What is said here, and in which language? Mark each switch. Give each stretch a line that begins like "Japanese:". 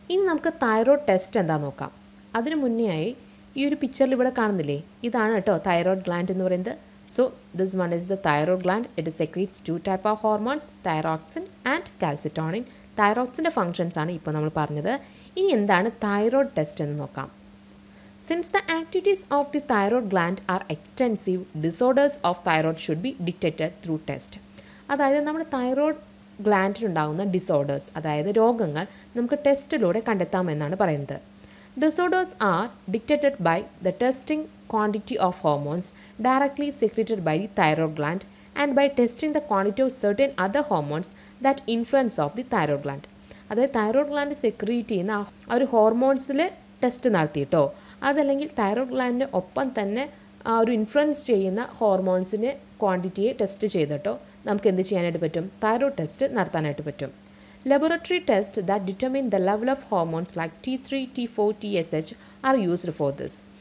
Malayalam: ഇനി നമുക്ക് thyroid test എന്താ നോക്കാം. അതിനു മുന്നേ ആയി ഈ ഒരു പിക്ചറിൽ ഇവിടെ കാണുന്നില്ലേ, ഇതാണ് കേട്ടോ തൈറോയിഡ് ഗ്ലാൻഡ് എന്ന് പറയുന്നത്.
English: So this one is the thyroid gland. It secretes two type of hormones, thyroxine and calcitonin.
Malayalam: തൈറോക്സിൻ്റെ functions ആണ് ഇപ്പോൾ നമ്മൾ പറഞ്ഞത്. ഇനി എന്താണ് തൈറോയിഡ് ടെസ്റ്റ് എന്ന് നോക്കാം.
English: Since the activities of the thyroid gland are extensive, disorders of thyroid should be detected through test.
Malayalam: അതായത് നമ്മുടെ തൈറോയിഡ് ഗ്ലാൻഡിൽ ഉണ്ടാകുന്ന ഡിസോർഡേഴ്സ്, അതായത് രോഗങ്ങൾ നമുക്ക് ടെസ്റ്റിലൂടെ കണ്ടെത്താമെന്നാണ് പറയുന്നത്.
English: Disorders are detected by the testing quantity of hormones directly secreted by the thyroid gland and by testing the quantity of certain other hormones that influence of the thyroid gland.
Malayalam: അതായത് thyroid gland secrete ചെയ്യുന്ന ആ ഒരു ഹോർമോൺസിൽ test നടത്തിയിട്ടോ, അതല്ലെങ്കിൽ thyroid ഗ്ലാൻഡിന് ഒപ്പം തന്നെ ആ ഒരു influence ചെയ്യുന്ന ഹോർമോൺസിന് ക്വാണ്ടിറ്റിയെ ടെസ്റ്റ് ചെയ്തിട്ടോ നമുക്ക് എന്ത് ചെയ്യാനായിട്ട് പറ്റും? തൈറോയിഡ് ടെസ്റ്റ് നടത്താനായിട്ട് പറ്റും.
English: Laboratory test that determine the level of hormones like T3, T4, TSH are used for this.